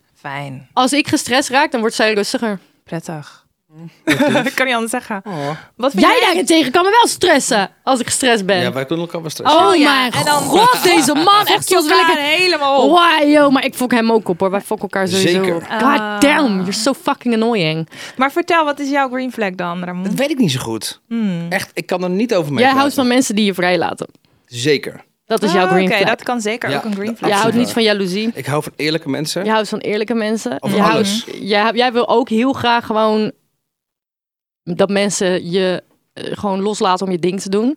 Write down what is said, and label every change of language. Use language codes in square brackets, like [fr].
[nl] Fijn. Als ik gestresst raak, dan wordt zij rustiger. Prettig. Ik kan niet anders zeggen. Oh. Wat vind jij daarentegen kan me wel stressen als ik gestrest ben. Ja, wij kunnen elkaar wel stressen. Oh mijn god, deze man. Echt zoals wil ik helemaal op. Wow, maar ik fok hem ook op hoor. Wij fokken elkaar sowieso. Zeker. [en] God damn, you're so fucking annoying. [nl] Maar vertel, wat is jouw green flag dan, Ramon? Dat weet ik niet zo goed. Hmm. Echt, ik kan er niet over mee Jij houdt van mensen die je vrijlaten. Zeker. Dat is jouw green flag. Oké, dat kan zeker ook een green flag. Je houdt niet van jaloezie. Ik hou van eerlijke mensen. Je houdt van eerlijke mensen. Of je alles. Jij wil ook heel graag gewoon... dat mensen je gewoon loslaten om je ding te doen.